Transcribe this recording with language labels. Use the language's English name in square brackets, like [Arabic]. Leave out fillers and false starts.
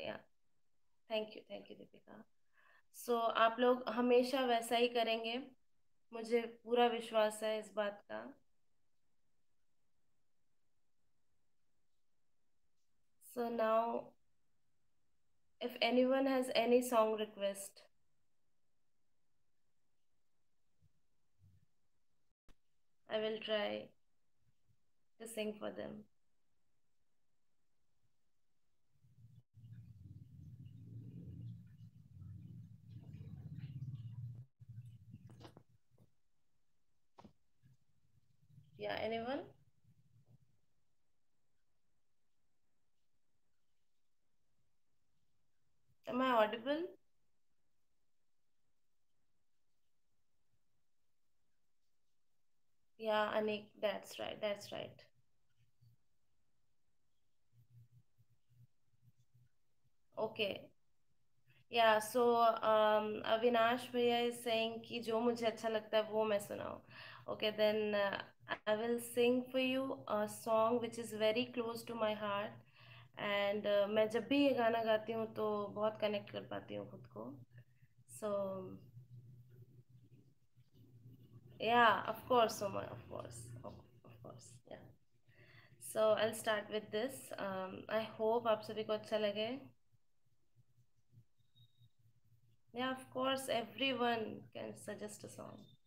[English] या thank you [Hindi] Deepika. सो आप लोग हमेशा वैसा ही करेंगे, मुझे पूरा विश्वास है इस बात का. [English] So now if anyone has any song request. I will try to sing for them. Yeah, anyone? Am I audible? Yeah, Anik, that's right. Okay. Yeah, so Avinash Bhaiya is saying [Hindi] कि जो मुझे अच्छा लगता है वो मैं सुनाऊँ. [English] Okay, then I will sing for you a song which is very close to my heart, and [Hindi] मैं जब भी ये गाना गाती हूँ तो बहुत कनेक्ट कर पाती हूँ खुद को. [English] So yeah, of course, Omar, of course, yeah. So I'll start with this. I hope [Hindi] आप सभी को अच्छा लगे. [English] Yeah, of course, everyone can suggest a song.